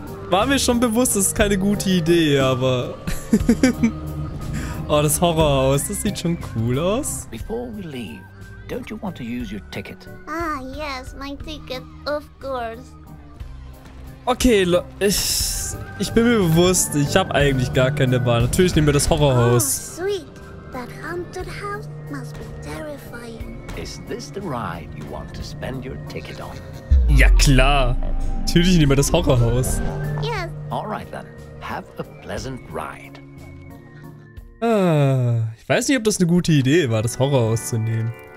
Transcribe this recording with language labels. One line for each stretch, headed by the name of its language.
German: War mir schon bewusst, das ist keine gute Idee, aber. Oh, das Horrorhaus, das sieht schon cool aus.
English: Before we leave, don't you want to use your ticket? Ah, yes, my ticket, of course.
German: Okay, ich bin mir bewusst, ich habe eigentlich gar keine Wahl. Natürlich nehmen wir das Horrorhaus.
English: Oh, sweet. That haunted house must be terrifying. Is this the ride you want to spend your ticket on?
German: Ja klar. Natürlich nehmen wir das Horrorhaus.
English: Yes. Alright then. Have a pleasant ride.
German: Ah, ich weiß nicht, ob das eine gute Idee war, das Horrorhaus zu nehmen.